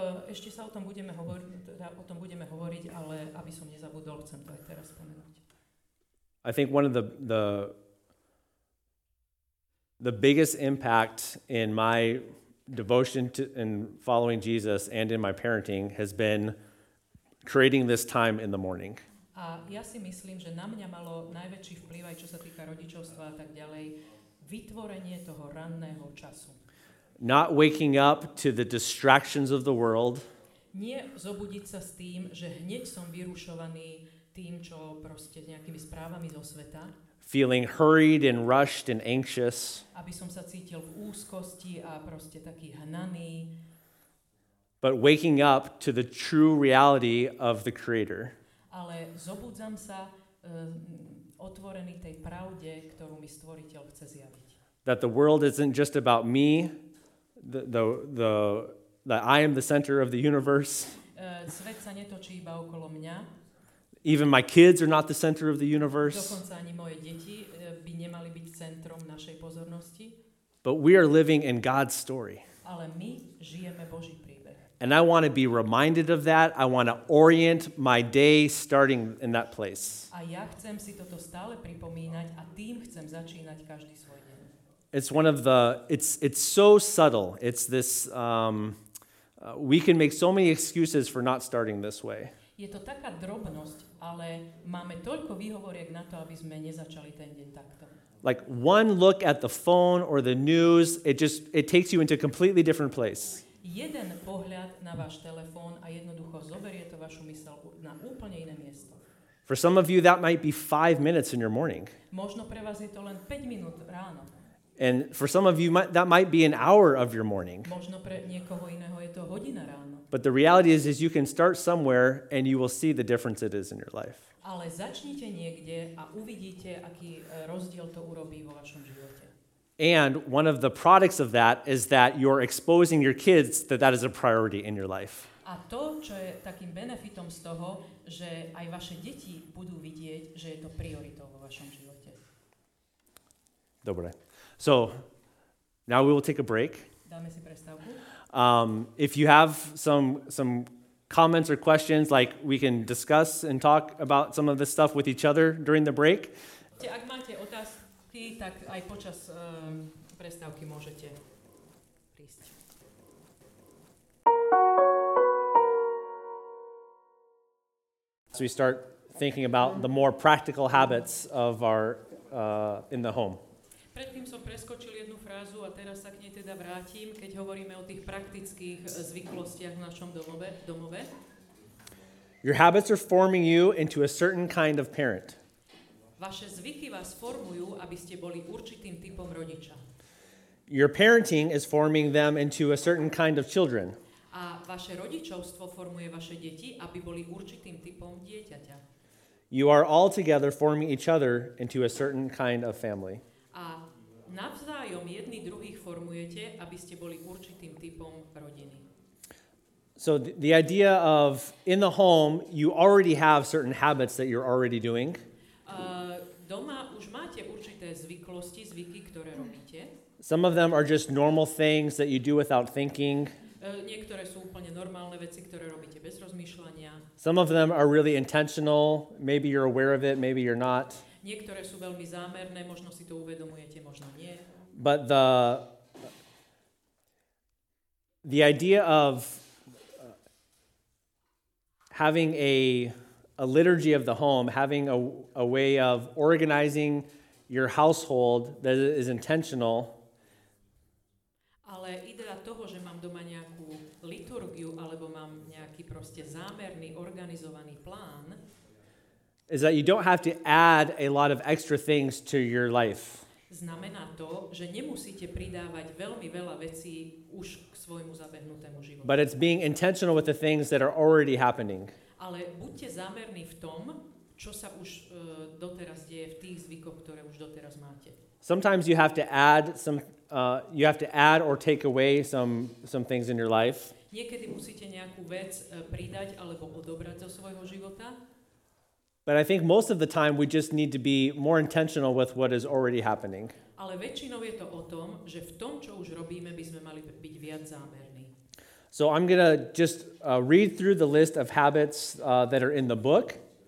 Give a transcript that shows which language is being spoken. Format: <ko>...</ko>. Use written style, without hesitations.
<sk>Ešte sa o tom budeme hovoriť, ale aby som nezabudol, chcem to aj teraz spomenúť.</sk> <en>I think one of the biggest impact in my devotion to and following Jesus and in my parenting has been creating this time in the morning.</en> <sk>A ja si myslím, že na mňa malo najväčší vplyv, čo sa týka rodičovstva a tak ďalej, vytvorenie toho ranného času.</sk> <en>Not waking up to the distractions of the world.</en> <sk>Nie zobudiť sa s tým, že hneď som vyrušovaný tým, čo proste nejakými správami zo sveta.</sk> <en>Feeling hurried and rushed and anxious.</en> <sk>Aby som sa cítil v úzkosti a proste taký hnaný.</sk> <en>But waking up to the true reality of the Creator.</en> <sk>Ale zobudzam sa otvorený tej pravde, ktorú mi Stvoriteľ chce zjaviť.</sk> <en>That the world isn't just about me, the I am the center of the universe.</en> <sk>Svet sa netočí iba okolo mňa.</sk> <en>Even my kids are not the center of the universe.</en> <sk>Dokonca ani moje deti by nemali byť centrom našej pozornosti.</sk> <en>But we are living in God's story.</en> <sk>Ale my žijeme Boží.</sk> <en>And I want to be reminded of that. I want to orient my day starting in that place.</en> <sk>A ja chcem si toto stále pripomínať a tým chcem začínať každý svoj deň.</sk> <en>It's so subtle. It's this we can make so many excuses for not starting this way.</en> <sk>Je to taká drobnosť, ale máme toľko výhovoriek na to, aby sme nezačali ten deň takto.</sk> <en>Like one look at the phone or the news, it takes you into a completely different place.</en> <sk>Jeden pohľad na váš telefón a jednoducho zoberie to vašu myseľ na úplne iné miesto.</sk> <en>For some of you that might be 5 minutes in your morning.</en> <sk>Možno pre vás je to len 5 minút ráno.</sk> <en>And for some of you that might be an hour of your morning.</en> <sk>Možno pre niekoho iného je to hodina ráno.</sk> <en>But the reality is you can start somewhere and you will see the difference it is in your life.</en> <sk>Ale začnite niekde a uvidíte, aký rozdiel to urobí vo vašom živote.</sk> <en>And one of the products of that is that you're exposing your kids that is a priority in your life.</en> <sk>A to, čo je takým benefitom z toho, že aj vaše deti budú vidieť, že je to prioritou vo vašom živote. Dobre.</sk> <en>So, now we will take a break.</en> <sk>Dáme si prestávku.</sk> <en>If you have some comments or questions, like we can discuss and talk about some of this stuff with each other during the break.</en> <sk>Ak máte otázky, tak aj počas prestávky môžete prísť.</sk> <en>So we start thinking about the more practical habits of our in the home.</en> <sk>Predtým som preskočil jednu frázu a teraz sa k nej teda vrátim, keď hovoríme o tých praktických zvyklostiach v našom domove.</sk> <en>Your habits are forming you into a certain kind of parent.</en> <sk>Vaše zvyky vás formujú, aby ste boli určitým typom rodiča.</sk> <en>Your parenting is forming them into a certain kind of children.</en> <sk>A vaše rodičovstvo formuje vaše deti, aby boli určitým typom dieťaťa.</sk> <en>You are all together forming each other into a certain kind of family.</en> <sk>A navzájom jedni druhých formujete, aby ste boli určitým typom rodiny.</sk> <en>So the idea of in the home, you already have certain habits that you're already doing.</en> <sk>Doma už máte určité zvyklosti, zvyky, ktoré robíte.</sk> <en>Some of them are just normal things that you do without thinking.</en> <sk>Niektoré sú úplne normálne veci, ktoré robíte bez rozmýšľania.</sk> <en>Some of them are really intentional. Maybe you're aware of it, maybe you're not.</en> <sk>Niektoré sú veľmi zámerné, možno si to uvedomujete, možno nie.</sk> <en>But the The idea of having a liturgy of the home, having a way of organizing your household that is intentional.</en> <sk>Ale idea toho, že mám doma nejakú liturgiu alebo mám nejaký proste zámerný organizovaný plán,</sk> <en>is that you don't have to add a lot of extra things to your life.</en> <sk>Znamená to, že nemusíte pridávať veľmi veľa vecí už k svojmu zabehnutému životu.</sk> <en>But it's being intentional with the things that are already happening.</en> <sk>Ale buďte zámerní v tom, čo sa už doteraz deje v tých zvykoch, ktoré už doteraz máte.</sk> <en>Sometimes you have to add or take away some things in your life.</en> <sk>Niekedy musíte nejakú vec pridať alebo odobrať zo svojho života.</sk> <en>But I think most of the time we just need to be more intentional with what is already happening.</en> <sk>Ale väčšinou je to o tom, že v tom, čo už robíme, by sme mali byť viac zámerní.</sk> <en>So I'm going to just read through the list of habits that are in the book.</en>